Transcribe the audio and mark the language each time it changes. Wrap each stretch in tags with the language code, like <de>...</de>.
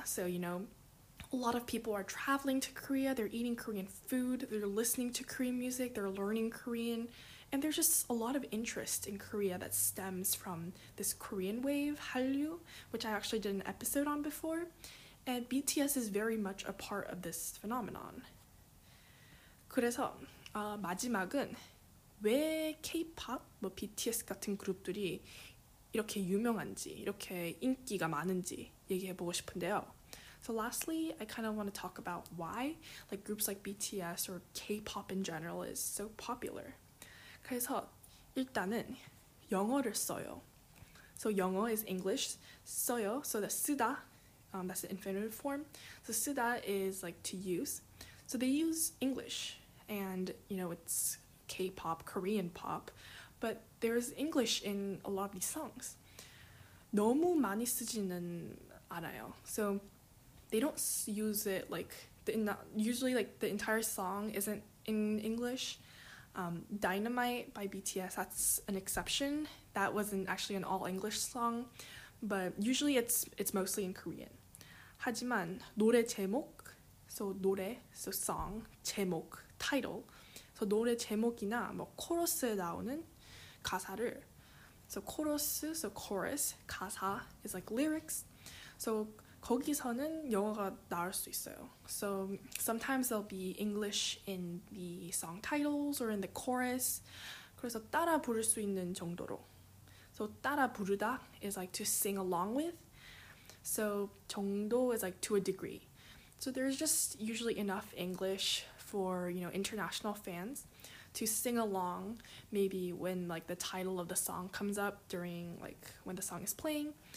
<en>So, you know, a lot of people are traveling to Korea, they're eating Korean food, they're listening to Korean music, they're learning Korean, and there's just a lot of interest in Korea that stems from this Korean wave, Hallyu, which I actually did an episode on before, and BTS is very much a part of this phenomenon.</en> <ko>그래서 마지막은 왜 K-pop, 뭐 BTS 같은 그룹들이 이렇게 유명한지, 이렇게 인기가 많은지 얘기해 보고 싶은데요.</ko> <en>So lastly, I kind of want to talk about why like groups like BTS or K-pop in general is so popular.</en> <ko>그래서 일단은 영어를 써요.</ko> <en>So 영어 is English, 써요. So the 쓰다, that's the infinitive form. So 쓰다 is like to use. So they use English and, you know, it's K-pop, Korean pop, but there's English in a lot of these songs.</en> <ko>너무 많이 쓰지는 않아요.</ko> <en>So they don't use it like usually like the entire song isn't in English. Dynamite by BTS, that's an exception. That wasn't actually an all English song, but usually it's mostly in Korean.</en> <ko>하지만 노래 제목, so 노래,</ko> <en>so song,</en> <ko>제목, title. So 노래 제목이나 뭐 코러스에 나오는 가사를, so 코러스,</ko> <en>so chorus,</en> <ko>가사</ko> <en>is like lyrics.</en> <ko>So 거기서는 영어가 나올 수 있어요.</ko> <en>So sometimes there'll be English in the song titles or in the chorus.</en> <ko>그래서 따라 부를 수 있는 정도로.</ko> <en>So 따라 부르다 is like to sing along with. So 정도 is like to a degree. So there's just usually enough English for, you know, international fans to sing along maybe when like the title of the song comes up during like when the song is playing.</en>